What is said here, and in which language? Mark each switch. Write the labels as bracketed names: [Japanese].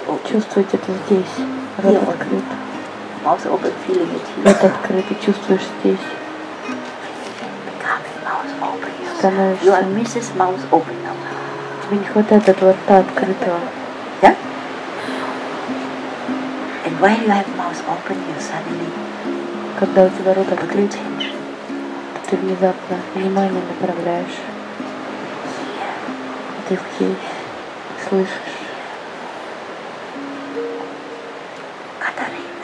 [Russian] Чувствуете это здесь, рот открыт. [English] Mouth open, feeling it here. [Russian] Рот открыт, и чувствуешь здесь. [English] Becoming mouth open. You are Mrs. Mouth open now. [Russian] Тебе не хватает этого рта открытого. [English] Yeah? And while you have mouth open, you suddenly... [Russian] Когда у тебя рот открыт, ты внезапно внимание направляешь. [English] Yeah. [Russian] Ты здесь. Слышишь? Катарина,